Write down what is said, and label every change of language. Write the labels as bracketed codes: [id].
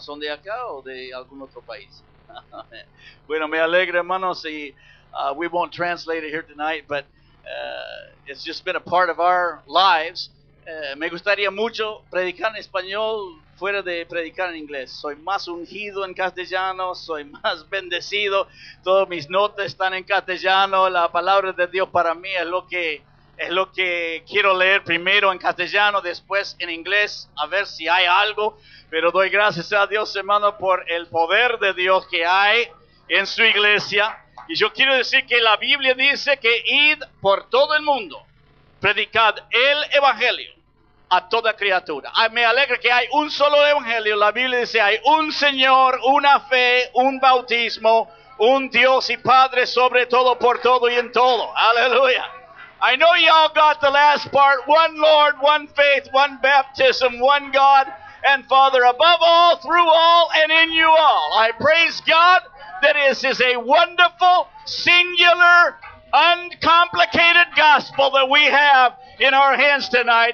[es] ¿Son de acá o de algún otro país? Bueno, me alegra, hermanos, y [en] we won't translate it here tonight, but it's just been a part of our lives. [es] Me gustaría mucho predicar en español fuera de predicar en inglés. Soy más ungido en castellano, soy más bendecido. Todas mis notas están en castellano. La palabra de Dios para mí es lo que quiero leer primero en castellano, después en inglés, a ver si hay algo. Pero doy gracias a Dios, hermano, por el poder de Dios que hay en su iglesia. Y yo quiero decir que la Biblia dice que id por todo el mundo, predicad el evangelio a toda criatura. Ay, me alegra que hay un solo evangelio. La Biblia dice hay un Señor, una fe, un bautismo, un Dios y Padre sobre todo, por todo y en todo. [en] Aleluya. I know y'all got the last part. One Lord, one faith, one baptism, one God and Father above all, through all, and in you all. I praise God that this is a wonderful, singular, uncomplicated gospel that we have in our hands tonight.